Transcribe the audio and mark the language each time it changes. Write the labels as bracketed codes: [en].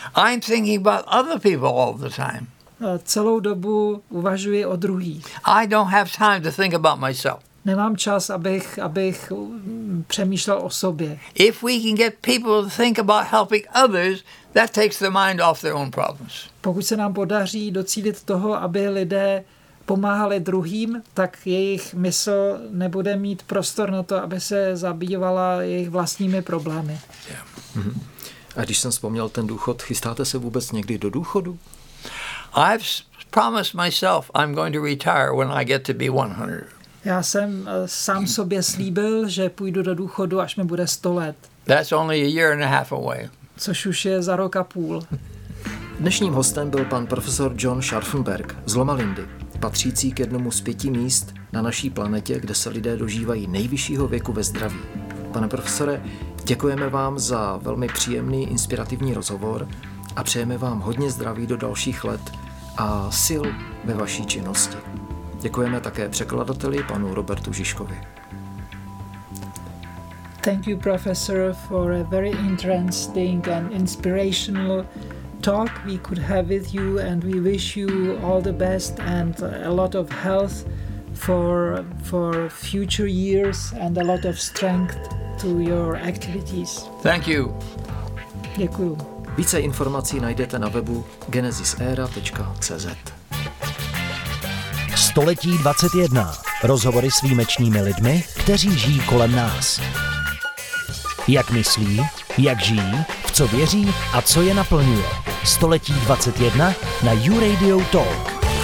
[en] I'm thinking about other people all the time. [cs] Celou dobu uvažuji o druhých. [en] I don't have time to think about myself. [cs] Nemám čas, abych přemýšlel o sobě. [en] If we can get people to think about helping others, that takes the mind off their own problems. [cs] Pokud se nám podaří docílit toho, aby lidé pomáhali druhým, tak jejich mysl nebude mít prostor na to, aby se zabývala jejich vlastními problémy. Yeah. Mm-hmm. A když jsem vzpomněl ten důchod, chystáte se vůbec někdy do důchodu? [en] I've promised myself I'm going to retire when I get to be 100. [cs] Já jsem sám sobě slíbil, že půjdu do důchodu, až mi bude 100 let. [en] That's only a year and a half away. [cs] Což už je za rok a půl. Dnešním hostem byl pan profesor John Scharfenberg z Loma Lindy, patřící k jednomu z pěti míst na naší planetě, kde se lidé dožívají nejvyššího věku ve zdraví. Pane profesore, děkujeme vám za velmi příjemný, inspirativní rozhovor a přejeme vám hodně zdraví do dalších let a sil ve vaší činnosti. Děkujeme také překladateli panu Robertu Žižkovi. [en] Thank you, professor, for a very interesting and inspirational talk we could have with you, and we wish you all the best and a lot of health for future years and a lot of strength to your activities. Thank you. [cs] Děkuju. Více informací najdete na webu genesisera.cz. Století 21. Rozhovory s výjimečnými lidmi, kteří žijí kolem nás. Jak myslí, jak žijí, v co věří a co je naplňuje. Století 21 na U Radio Talk.